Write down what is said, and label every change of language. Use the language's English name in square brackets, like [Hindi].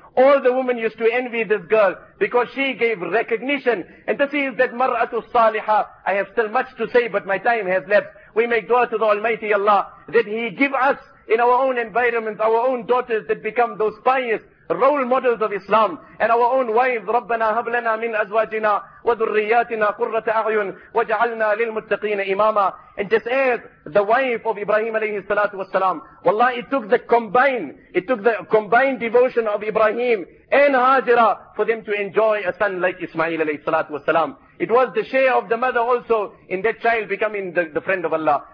[English] All the women used to envy this girl because she gave recognition. And this is that mar'atu salihah. I have still much to say, but my time has left. We make dua to the Almighty Allah that He give us in our own environments, our own daughters that become those pious role models of Islam, and our own wives. [Arabic] ربنا هب لنا من أزواجنا وذرياتنا قرة أعين وجعلنا للمتقين إماما. [English] And just as the wife of Ibrahim alayhi salatu wasalam, wallah, it took the combined devotion of Ibrahim and Hajira for them to enjoy a son like Ismail alayhi salatu wasalam. It was the share of the mother also in that child becoming the friend of Allah.